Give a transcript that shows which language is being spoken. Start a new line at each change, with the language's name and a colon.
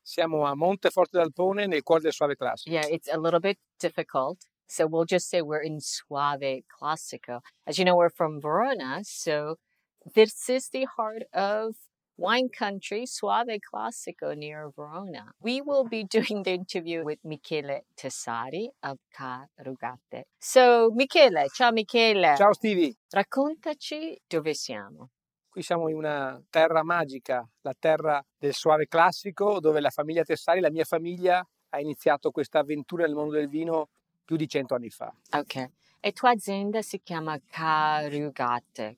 Italian: Siamo a Monteforte d'Alpone nel cuore del Suave Classico.
English: Yeah, it's a little bit difficult. So we'll just say we're in Suave Classico. As you know, we're from Verona. So this is the heart of wine country, Suave Classico near Verona. We will be doing the interview with Michele Tessari of Ca Rugate.
Italian: So Michele, ciao Michele. Ciao Stevie. Raccontaci dove siamo. Qui siamo in una terra magica, la terra del Suave Classico, dove la famiglia Tessari, la mia famiglia, ha iniziato questa avventura nel mondo del vino più di 100 anni fa. Ok. E tua azienda si chiama Ca Rugate.